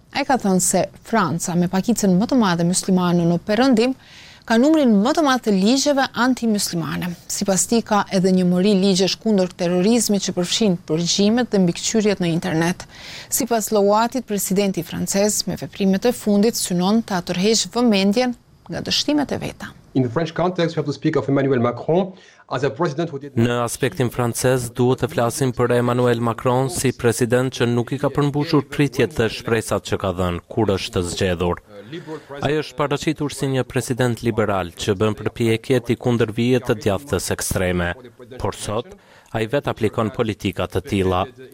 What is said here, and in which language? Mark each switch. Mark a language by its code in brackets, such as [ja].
[sq] Ai ka thënë se Franca, me pakicën më të madhe muslimane në perëndim, ka numrin më të madh të ligjeve antimuslimane. Sipas tij ka edhe një mori ligjesh kundër terrorizmit që përfshin përgjimet dhe mbikëqyrjet në internet. Sipas Louatit, presidenti francez me veprimet e fundit synon të atërhesh vëmendjen nga dështimet e veta. [en] In the French context we have to speak of Emmanuel Macron as a president who did. [sq] Në aspektin francez duhet të flasim për Emmanuel Macron si president që nuk i ka përmbushur kritjet dhe shpresat që ka dhënë kur është të zgjedhur. Ai është paraqitur si një president liberal që bën përpjekje të kundërvijë të djathtës ekstreme, por sot ai vet aplikon politika të tilla.